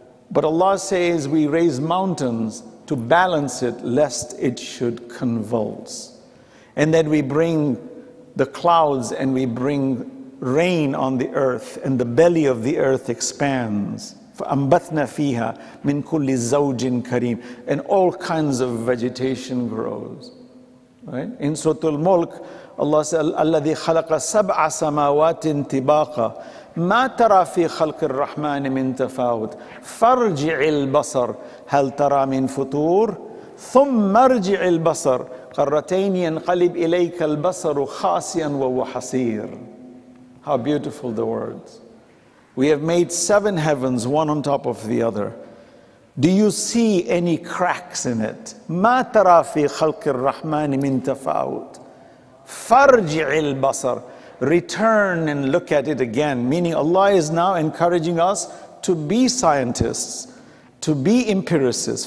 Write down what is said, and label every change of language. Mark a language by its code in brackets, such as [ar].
[en] But Allah says we raise mountains to balance it, lest it should convulse. And then we bring the clouds and we bring rain on the earth, and the belly of the earth expands. [ar] فَأَنْبَثْنَا فِيهَا مِنْ كُلِّ زَوْجٍ كَرِيمٍ. [en] And all kinds of vegetation grows. Right? In Surah Al-Mulk, Allah says, [ar] الَّذِي خَلَقَ سَبْعَ سَمَاوَاتٍ تِبَاقًا مَا تَرَى فِي خَلْقِ الرَّحْمَنِ مِنْ تَفَاوُتٍ فَارْجِعِ الْبَصَرِ هَلْ تَرَى مِنْ فُطُورٍ ثُمَّ ارْجِعِ الْبَصَرِ قَرَّتَيْنِ يَنْقَلِبْ إِلَيْكَ الْبَصَرُ خَاسِيًا وَهُوَ حَسِيرٌ. [en] How beautiful the words. We have made seven heavens, one on top of the other. Do you see any cracks in it? [ar] مَا تَرَى فِي خَلْقِ الرَّحْمَنِ مِنْ تَفَاوُتٍ فَارْجِعِ الْبَصَرِ. [en] Return and look at it again. Meaning Allah is now encouraging us to be scientists, to be empiricists.